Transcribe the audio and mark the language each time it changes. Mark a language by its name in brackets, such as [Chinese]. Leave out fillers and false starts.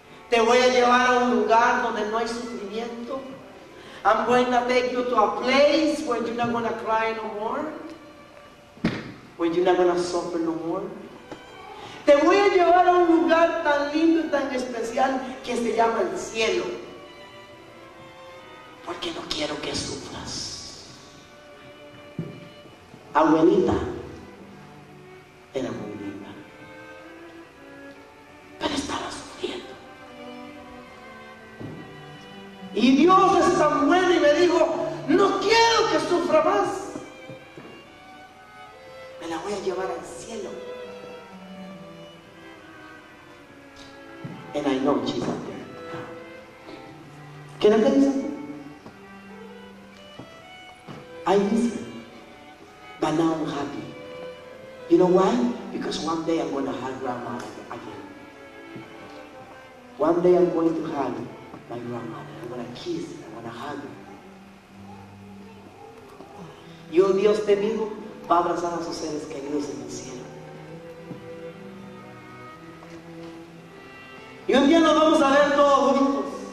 [Spanish] Te voy a llevar a un lugar donde no hay sufrimiento. [English] I'm going to take you to a place where you're not going to cry no more, where you're not going to suffer no more. [Spanish] Te voy a llevar a un lugar tan lindo y tan especial que se llama el cielo, porque no quiero que sufras. Abuelita era muy linda, pero estaba sufriendo. Y Dios es tan bueno y me dijo, no quiero que sufra más. Me la voy a llevar al cielo. [English] And I know she's up there. [Spanish] ¿Qué le dice? [English] I miss her. But now I'm happy. You know why? Because one day I'm going to have grandma again. One day I'm going to hug my grandmother. I'm going to kiss her. I'm going to hug her. [Spanish] Y un Dios te digo, va a abrazar a sus seres queridos en el cielo. Y un día nos vamos a ver todos juntos.